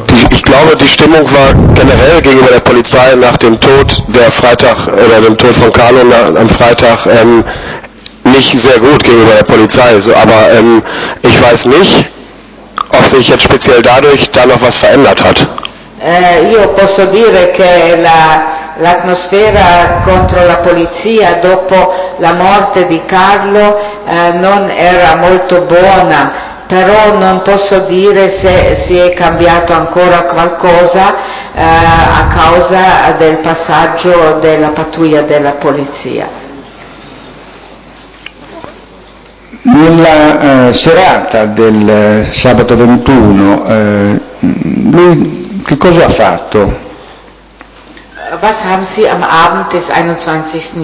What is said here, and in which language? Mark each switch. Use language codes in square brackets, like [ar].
[de] Ich glaube, die Stimmung war generell gegenüber der Polizei nach dem Tod der Freitag oder dem Tod von Carlo am Freitag nicht sehr gut gegenüber der Polizei. So, aber ich weiß nicht, ob sich jetzt speziell dadurch da noch was verändert hat. [it] Io posso dire che l'atmosfera contro la polizia dopo la morte di Carlo non era molto buona. Però non posso dire se si è cambiato ancora qualcosa a causa del passaggio della pattuglia della polizia. Nella serata del sabato 21, lui che cosa ha fatto? [de] Was haben Sie am Abend des 21.